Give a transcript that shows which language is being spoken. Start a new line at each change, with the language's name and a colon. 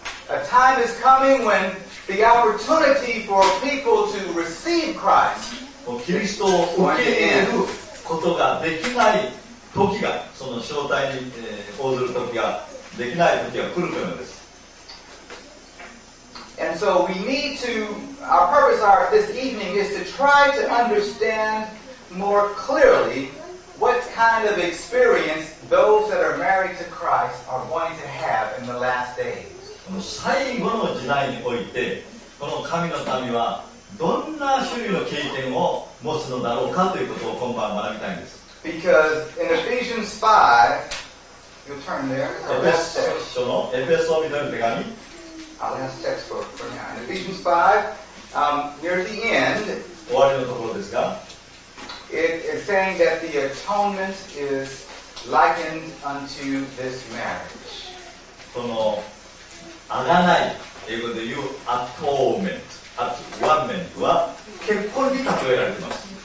English: A time is coming when the opportunity for people to receive Christ.
Japanese: キリストを受け入れることができない時が、その招待に応ずる時が、できない時が来るというのです。
English: And so we need to, our purpose our, this evening is to try to understand more clearly what kind of experience those that are married to Christ are going to have in the last days.
Japanese: 最後の時代においてこの神の民はどんな種類の経験を持つのだろうかということを今晩学びたいんです。
English: Because in Ephesians 5 You'll turn there
Japanese: エペソ書の手紙
English: I'll ask textbook for now. In Ephesians 5 near the end
Japanese: 終わりのところですが
English: It is saying that the atonement is likened unto this marriage.
Japanese: このあがない英語で言う atonement atonement は結婚に例えられています。